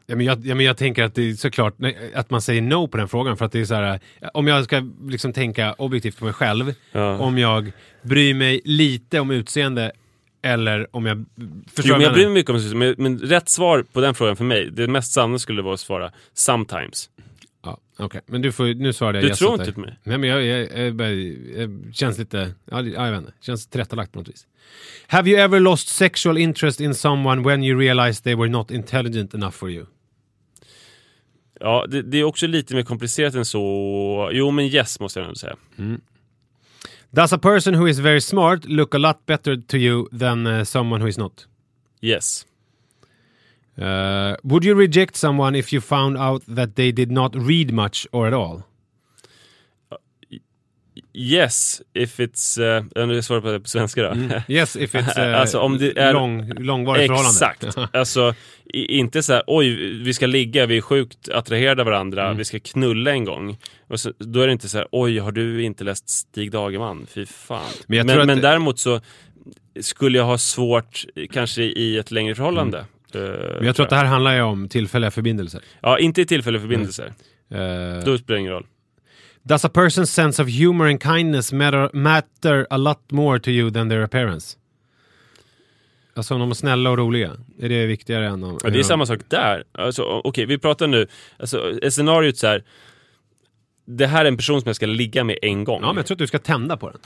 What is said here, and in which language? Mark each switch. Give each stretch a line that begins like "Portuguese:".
Swedish: Ja, men jag tänker att det är såklart att man säger no på den frågan, för att det är så här, om jag ska liksom tänka objektivt på mig själv, om jag bryr mig lite om utseende. Eller om jag förstår. Jo, men jag bryr mig mycket om det, men rätt svar på den frågan för mig, det mest sanna skulle vara att svara sometimes. Ja, okej. Okay. Men du får nu svara det. Du tror inte på mig. Nej, men jag känns lite, jag vet inte, känns trättalagt på något vis.
English: Have you ever lost sexual interest in someone when you realized they were not intelligent enough for you?
Swedish: Ja, det är också lite mer komplicerat än så. Jo, men yes måste jag säga. Mm.
English: Does a person who is very smart look a lot better to you than someone who is not? Yes. Would you reject someone if you found out that they did not read much or at all? Yes, if it's...
Swedish: Nu är jag svarar på det på svenska då.
English: Yes, if it's
Swedish: alltså, om det är, långvarig exakt. Förhållande. Exakt. Alltså, inte så här, oj, vi ska ligga, vi är sjukt attraherade av varandra, vi ska knulla en gång. Och så, då är det inte så här, oj, har du inte läst Stig Dagerman? Fy fan. Men däremot så skulle jag ha svårt kanske i ett längre förhållande. Men jag tror att det här handlar ju om tillfälliga förbindelser. Ja, inte tillfälliga förbindelser. Då spelar det ingen roll.
English: Does a person's sense of humor and kindness matter a lot more to you than their appearance?
Swedish: Alltså om de är snälla och roliga. Är det viktigare än om... Ja, det är samma sak där. Alltså, okej, vi pratar nu. Alltså, scenariot så här. Det här är en person som jag ska ligga med en gång. Ja, men jag tror att du ska tända på den.